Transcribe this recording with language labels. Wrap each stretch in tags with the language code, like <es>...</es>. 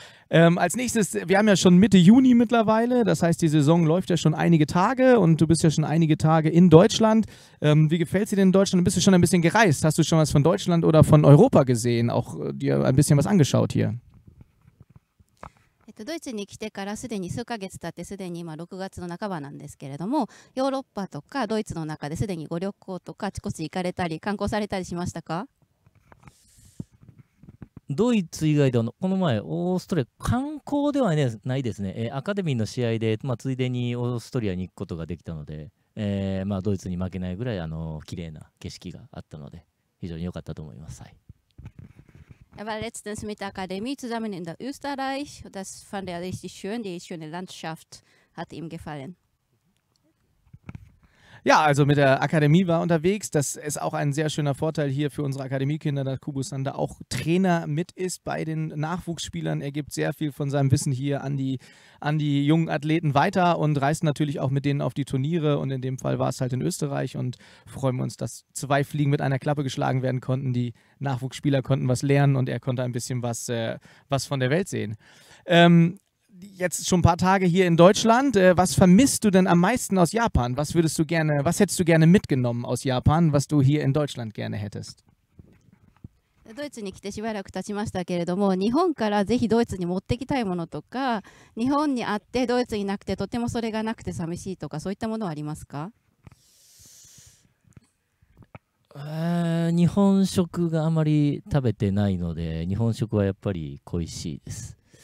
<de>Als nächstes, wir haben ja schon Mitte Juni mittlerweile, das heißt die Saison läuft ja schon einige Tage und du bist ja schon einige Tage in Deutschland. Wie gefällt es dir denn in Deutschland? Bist du schon ein bisschen gereist? Hast du schon was von Deutschland oder von Europa gesehen? Auch dir ein bisschen was angeschaut hier?</de> <ja>ドイツに来てからすでに数ヶ月経ってすでに今6月の半ばなんですけれどもヨーロッパとかドイツの中ですでにご旅行とかあちこち行かれたり観光されたりしましたか？ドイツ以外ではこの前オーストリア観光ではないですね。アカデミーの試合で、まあ、ついでにオーストリアに行くことができたので、まあ、ドイツに負けないぐらいあの綺麗な景色があったので非常に良かったと思います。はい。</ja> <de>Aber letztens mit der Akademie zusammen in der Österreich, das fand er richtig schön, die schöne Landschaft hat ihm gefallen. Ja, also mit der Akademie war unterwegs. Das ist auch ein sehr schöner Vorteil hier für unsere Akademiekinder, dass Kubus Sander auch Trainer mit ist bei den Nachwuchsspielern. Er gibt sehr viel von seinem Wissen hier an die jungen Athleten weiter und reist natürlich auch mit denen auf die Turniere. Und in dem Fall war es halt in Österreich und freuen wir uns, dass zwei Fliegen mit einer Klappe geschlagen werden konnten. Die Nachwuchsspieler konnten was lernen und er konnte ein bisschen was von der Welt sehen. Jetzt schon ein paar Tage hier in Deutschland. Was vermisst du denn am meisten aus Japan? Was hättest du gerne mitgenommen aus Japan, was du hier in Deutschland gerne hättest?</de> <ja>ドイツに来てしばらく経ちましたけれども、日本からぜひドイツに持ってきたいものとか、日本にあってドイツになくてとてもそれがなくて寂しいとか、そういったものはありますか？日本食があまり食べてないので、日本食はやっぱり恋しいです。</ja>